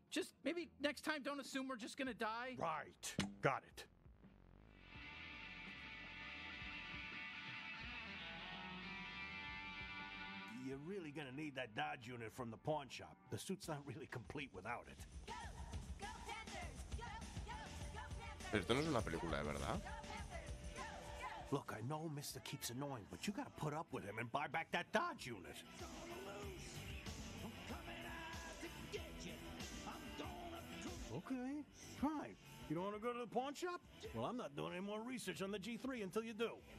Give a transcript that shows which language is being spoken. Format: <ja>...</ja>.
<en>Just maybe next time don't assume we're just gonna die. Right. Got it. You're really gonna need that Dodge unit from the pawn shop. The suit's not really complete without it. Go, go Panthers, go, go, go Panthers,</en> <es>esto no es una película,</es> <en>go,</en> <es>de verdad.</es> <en>Go, go, go. Look, I know Mister keeps annoying, but you gotta put up with him and buy back that Dodge unit. Okay, fine. You don't wanna go to the pawn shop? Well, I'm not doing any more research on the G3 until you do.</en>